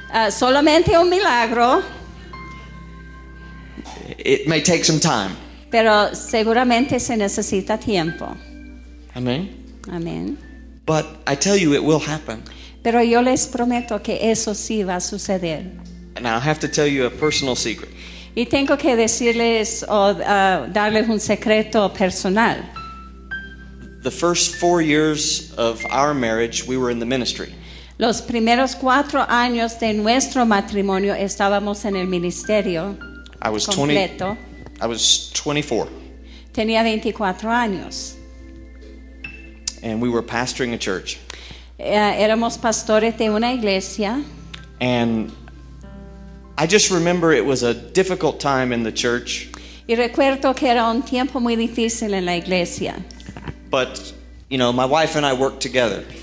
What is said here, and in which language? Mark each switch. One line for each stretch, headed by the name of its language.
Spanish: Solamente un milagro.
English: It may take some time.
Spanish: Pero seguramente se necesita tiempo. Amen. Amen.
English: But I tell you, it will happen.
Spanish: Pero yo les prometo que eso sí va a suceder.
English: And I have to tell you a personal secret.
Spanish: Y tengo que decirles darles un secreto personal.
English: The first 4 years of our marriage, we were in the ministry.
Spanish: Los primeros 4 años de nuestro matrimonio estábamos en el ministerio.
English: I was
Spanish: completo.
English: 20, I was 24.
Spanish: Tenía 24 años.
English: And we were pastoring a church.
Spanish: Éramos pastores de una iglesia.
English: And I just remember it was a difficult time in the church.
Spanish: Y recuerdo que era un tiempo muy difícil en la iglesia.
English: But, you know, my wife and I worked together.